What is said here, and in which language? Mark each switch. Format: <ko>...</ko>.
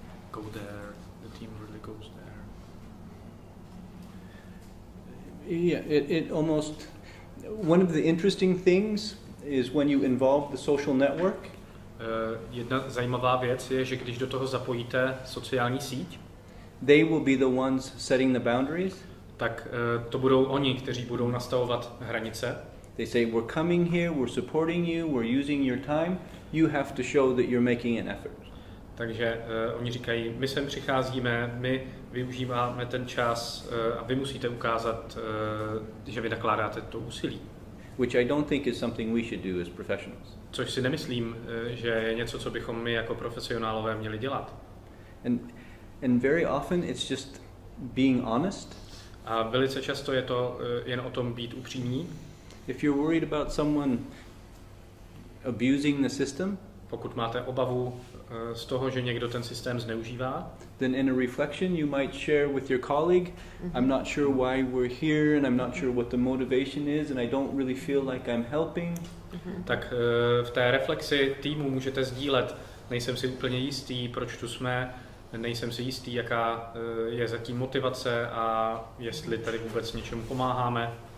<en>Go there, the team really goes there. Yeah, it almost, one of the interesting things is when you involve the social network.</en> <cs>Jedna zajímavá věc je, že když do toho zapojíte sociální síť,</cs> <en>they will be the ones setting the boundaries.</en> <cs>tak to budou oni, kteří budou nastavovat hranice.</cs> <en>They say we're coming here, we're supporting you, we're using your time. You have to show that you're making an effort.</en> <cs>Takže oni říkají, my sem přicházíme, my využíváme ten čas a vy musíte ukázat, že vy nakládáte to úsilí.</cs> <en>Which I don't think is something we should do as professionals.</en> <cs>Což si nemyslím, že je něco, co bychom my jako profesionálové měli dělat.</cs> <en>And very often it's just being honest.</en> <cs>A velice často je to jen o tom být upřímní.</cs> <en>If you're worried about someone abusing the system,</en> <cs>pokud máte obavu z toho, že někdo ten systém zneužívá,</cs> <en>then in a reflection you might share with your colleague, I'm not sure why we're here and I'm not sure what the motivation is and I don't really feel like I'm helping.</en> <cs>Tak v té reflexi týmu můžete sdílet, nejsem si úplně jistý, proč tu jsme, nejsem si jistý, jaká je zatím motivace a jestli tady vůbec něčemu pomáháme.</cs>